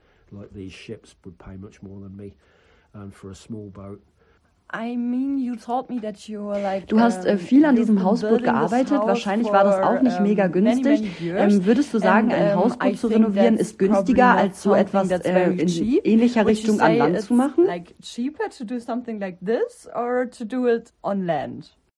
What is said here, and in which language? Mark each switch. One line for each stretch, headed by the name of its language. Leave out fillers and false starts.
English: Like these ships would pay much more than me, and for a small boat. I mean, you told me that you were like.
German: Du hast viel an diesem Hausboot gearbeitet. Wahrscheinlich war das auch nicht mega günstig. Würdest du sagen, ein Hausboot zu renovieren ist günstiger als so etwas in ähnlicher Richtung an Land zu machen?
English: Like cheaper to do something like this or to do it on land?